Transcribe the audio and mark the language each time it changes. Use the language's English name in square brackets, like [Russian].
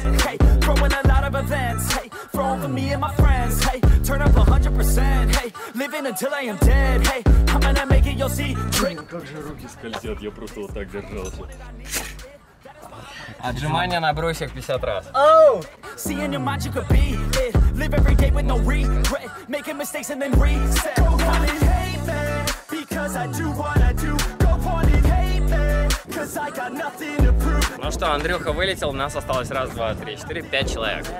[Russian] Как же руки скользят, я просто вот так держался. Отжимания на брусьях 50 раз. [English] Seeing your mind, you could be it. Live every day with no regret. Making mistakes and then reset. Go on and hate me, because I do what I do. Go on and hate me, because I got nothing to prove. [Russian] Ну что, Андрюха вылетел, нас осталось 1, 2, 3, 4, 5 человек.